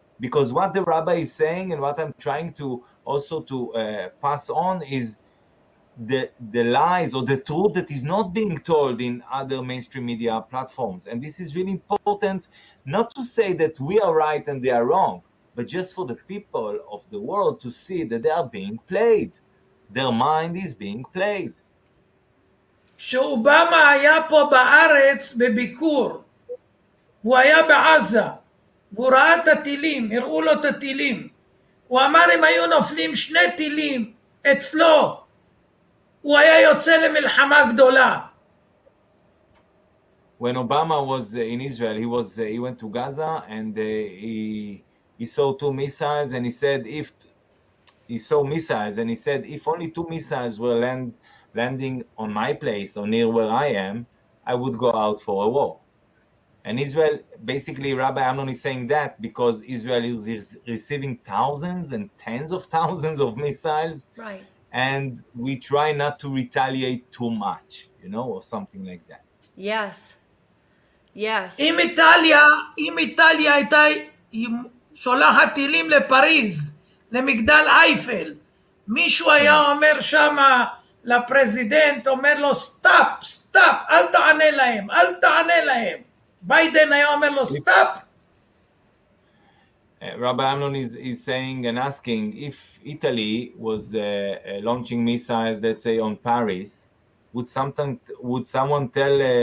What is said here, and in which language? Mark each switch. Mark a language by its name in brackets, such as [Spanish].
[English] Because what the rabbi is saying and what I'm trying to also to pass on is the lies or the truth that is not being told in other mainstream media platforms. And this is really important, not to say that we are right and they are wrong, but just for the people of the world to see that they are being played. Their mind is being played. [Hebrew] שאובמה היה פה בארץ בביקור, הוא היה בעזה, והוא ראה את הטילים, הראו לו את הטילים, הוא אמר אם היו נופלים שני טילים אצלו, הוא היה יוצא למלחמה גדולה. [English] When Obama was in Israel, he went to Gaza and he saw two missiles and he said if he saw missiles and he said if only two missiles were landing on my place or near where I am, I would go out for a war. And Israel, basically Rabbi Amnon is saying that because Israel is receiving thousands and tens of thousands of missiles, right? And we try not to retaliate too much, you know, or something like that. Yes. Yes. [Hebrew] אם איטליה הייתה שולחת טילים לפריז, למגדל אייפל, מישהו היה אומר שם לפרזידנט, אומר לו, סטאפ, סטאפ, אל תענה להם, אל תענה להם. ביידן היה אומר לו, סטאפ. [English] Rabbi Amnon is saying and asking, if Italy was launching missiles, let's say, on Paris, would someone tell...